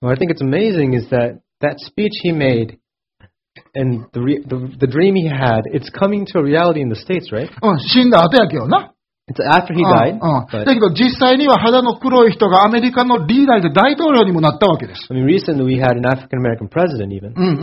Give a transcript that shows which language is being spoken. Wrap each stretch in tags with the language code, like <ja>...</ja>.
<en>Well, I think it's amazing is that that speech he made,And the dream he had, it's coming to a reality in the States, right?</en> <ja>死んだ後やけどな。</ja> <en>It's after he died.</en> <ja>だけど実際には肌の黒い人がアメリカのリーダーで大統領にもなったわけです。</ja> <en>I mean, recently we had an African American president even.</en>